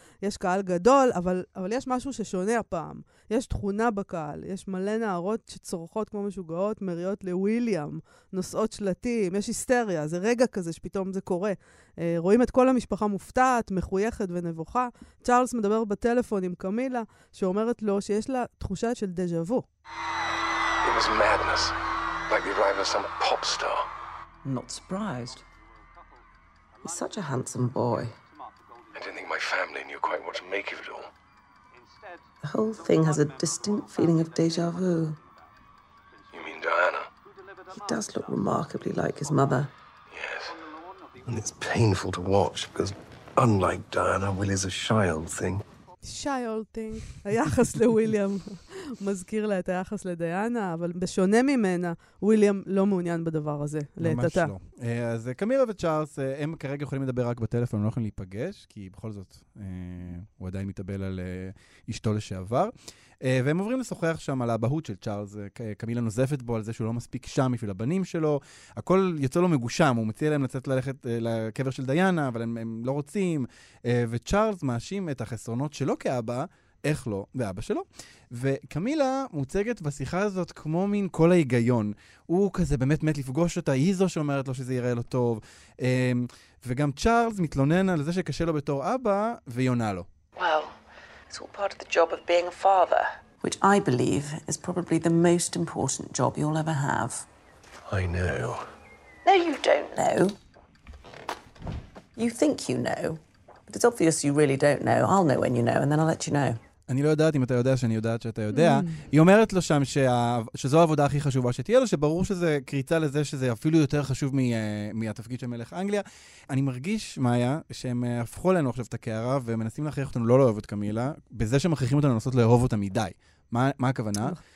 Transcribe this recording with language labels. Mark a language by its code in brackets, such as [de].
[he] יש קהל גדול, אבל יש משהו ששונה הפעם. יש תכונה בקהל, יש מלא נערות שצורחות כמו משוגעות, מריעות לוויליאם, נושאות שלטים, יש היסטריה, זה רגע כזה שפתאום זה קורה. רואים את כל המשפחה מופתעת, מחויכת ונבוכה. צ'ארלס מדבר בטלפון עם קמילה, שאומרת לו שיש לה תחושה של דז'ה וו. [en] It was madness, like the arrival of some pop star. Not surprised. He's such a handsome boy. I didn't think my family knew quite what to make of it all. The whole thing has a distinct feeling of deja vu. You mean Diana? He does look remarkably like his mother. Yes. And it's painful to watch, because unlike Diana, Will is a shy old thing. Shy old thing. [he] היחס לוויליאם מזכיר לה את היחס לדיאנה, אבל בשונה ממנה, וויליאם לא מעוניין בדבר הזה. ממש לא. אז קמילה וצ'ארלס, הם כרגע יכולים לדבר רק בטלפון, הם לא יכולים להיפגש, כי בכל זאת הוא עדיין מתאבל על אשתו לשעבר. והם עוברים לשוחח שם על הבהות של צ'ארלס. קמילה נוזפת בו על זה שהוא לא מספיק שם בשביל הבנים שלו. הכל יוצא לו מגושם. הוא מציע להם לצאת ללכת לקבר של דיאנה, אבל הם לא רוצים. וצ'ארלס מאשים את החסרונות שלו כאבא, איך לא, ואבא שלו. וקמילה מוצגת בשיחה הזאת כמו מין כל ההיגיון. הוא כזה באמת מת לפגוש אותה, היא זו שאומרת לו שזה יראה לו טוב. וגם צ'ארלס מתלונן על זה שקשה לו בתור אבא, ויונה לו. [en] It's all part of the job of being a father. Which I believe is probably the most important job you'll ever have. I know. No, you don't know. You think you know. But it's obvious you really don't know. I'll know when you know, and then I'll let you know. [he] אני לא יודעת אם אתה יודע שאני יודעת שאתה יודע. היא אומרת לו שם שזו העבודה הכי חשובה שתהיה לו, שברור שזה קריצה לזה שזה אפילו יותר חשוב מהתפקיד של מלך אנגליה. אני מרגיש, מאיה, שהם הפכו לנו עכשיו את הקערה, ומנסים להכריח אותנו לא לאהוב את קמילה, בזה שמכריחים אותנו לנסות לאהוב אותה מדי. מה הכוונה?